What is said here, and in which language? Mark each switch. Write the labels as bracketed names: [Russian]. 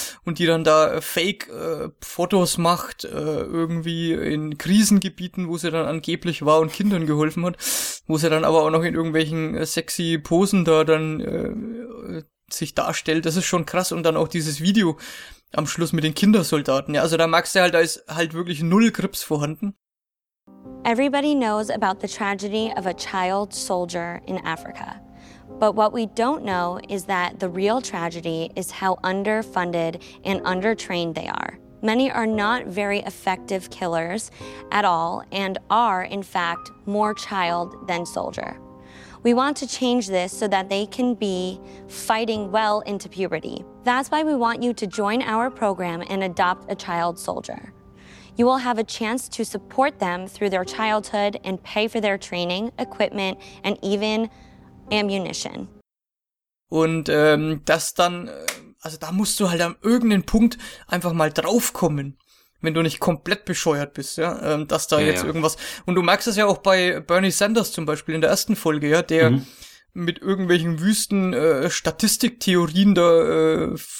[German] Und die dann da Fake-Fotos macht, irgendwie in Krisengebieten, wo sie dann angeblich war und Kindern geholfen hat, wo sie dann aber auch noch in irgendwelchen sexy Posen da dann sich darstellt. Das ist schon krass. Und dann auch dieses Video am Schluss mit den Kindersoldaten. Ja, also da merkst du halt, da ist halt wirklich null Grips vorhanden. [English] Everybody knows about the tragedy of a child soldier in Africa. But what we don't know is that the real tragedy is how underfunded and undertrained they are. Many are not very effective killers at all and are, in fact, more child than soldier. We want to change this so that they can be fighting well into puberty. That's why we want you to join our program and adopt a child soldier. You will have a chance to support them through their childhood and pay for their training, equipment and even ammunition. [German] Und das dann, also da musst du halt an irgendeinen Punkt einfach mal draufkommen, wenn du nicht komplett bescheuert bist, ja, dass da jetzt irgendwas, und du merkst es ja auch bei Bernie Sanders zum Beispiel in der ersten Folge, ja, der mit irgendwelchen wüsten Statistiktheorien da